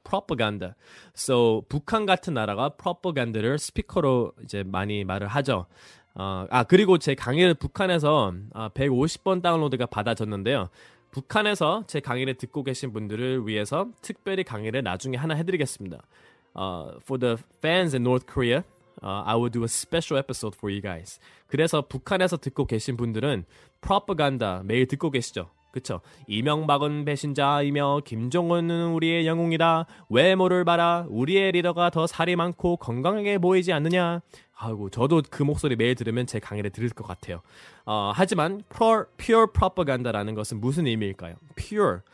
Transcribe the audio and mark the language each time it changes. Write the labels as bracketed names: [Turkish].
[Korean] Propaganda. So 북한 같은 나라가 propaganda를 스피커로 이제 많이 말을 하죠. 그리고 제 강의를 북한에서 150번 다운로드가 받아졌는데요. 북한에서 제 강의를 듣고 계신 분들을 위해서 특별히 강의를 나중에 하나 해드리겠습니다. [English] For the fans in North Korea, I will do a special episode for you guys. [Korean] 그래서 북한에서 듣고 계신 분들은 propaganda 매일 듣고 계시죠. 그쵸. 이명박은 배신자이며 김정은은 우리의 영웅이다. 외모를 봐라. 우리의 리더가 더 살이 많고 건강하게 보이지 않느냐. 아이고, 저도 그 목소리 매일 들으면 제 강의를 들을 것 같아요. 하지만 pure propaganda라는 것은 무슨 의미일까요? Pure.